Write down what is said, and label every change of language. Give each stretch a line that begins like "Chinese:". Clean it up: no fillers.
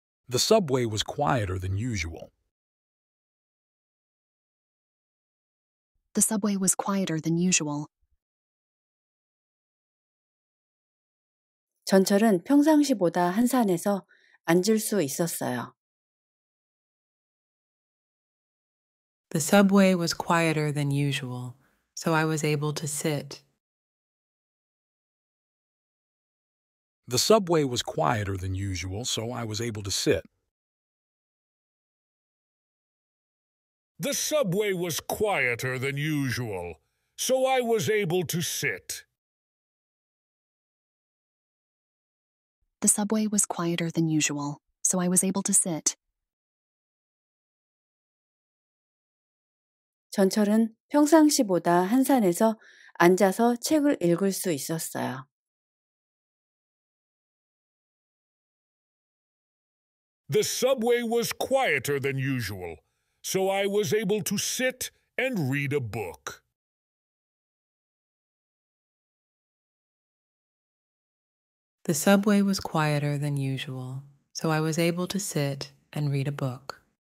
English: The subway was quieter than usual. The subway was quieter than usual.
Korean: 전철은 평상시보다 한산해서 앉을 수 있었어요.
English: The subway was quieter than usual, so I was able to sit. The subway was quieter than usual, so I was able to sit. The subway was quieter than usual, so I was able to sit. The subway was quieter than usual, so I was able to sit.
Korean: 전철은 평상시보다 한산해서 앉아서 책을 읽을 수 있었어요.
English: The subway was quieter than usual, so I was able to sit and read a book. The subway was quieter than usual, so I was able to sit and read a book.